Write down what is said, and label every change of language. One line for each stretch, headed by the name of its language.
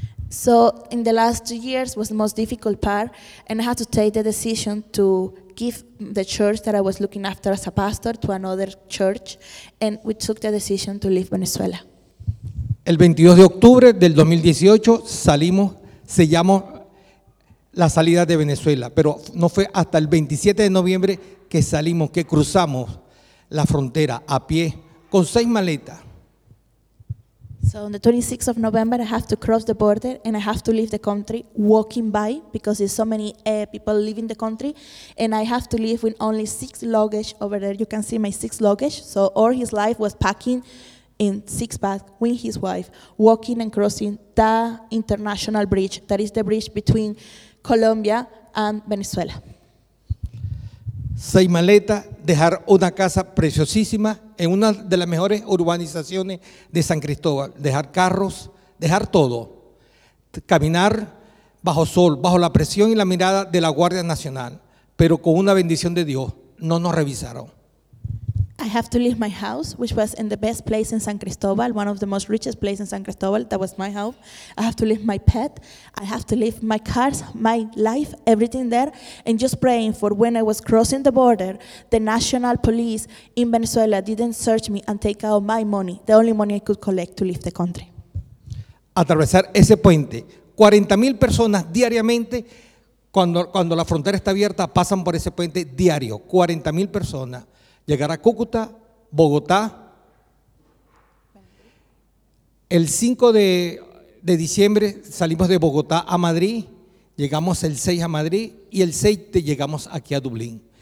English: So in the last 2 years was the most difficult part, and I had to take the decision to give the church that I was looking after as a pastor to another church, and we took the decision to leave Venezuela.
Spanish: El 22 de octubre del 2018 salimos, sellamos la salida de Venezuela, pero no fue hasta el 27 de noviembre que salimos, que cruzamos la frontera a pie con 6 maletas.
English: So on the 26th of November, I have to cross the border and I have to leave the country walking by because there's so many people leaving the country, and I have to leave with only 6 luggage over there. You can see my 6 luggage. So all his life was packing in 6 bags with his wife, walking and crossing the international bridge. That is the bridge between Colombia and Venezuela.
Spanish: 6 maletas, dejar una casa preciosísima en una de las mejores urbanizaciones de San Cristóbal, dejar carros, dejar todo, caminar bajo sol, bajo la presión y la mirada de la Guardia Nacional, pero con una bendición de Dios, no nos revisaron.
English: I have to leave my house, which was in the best place in San Cristóbal, one of the most richest places in San Cristóbal, that was my home. I have to leave my pet, I have to leave my cars, my life, everything there, and just praying for when I was crossing the border, the national police in Venezuela didn't search me and take out my money, the only money I could collect to leave the country.
Spanish: Atravesar ese puente, 40,000 personas diariamente, cuando la frontera está abierta, pasan por ese puente diario, 40,000 personas. Llegar a Cúcuta, Bogotá, el 5 de diciembre salimos de Bogotá a Madrid, llegamos el 6 a Madrid y el 6 llegamos aquí a Dublín.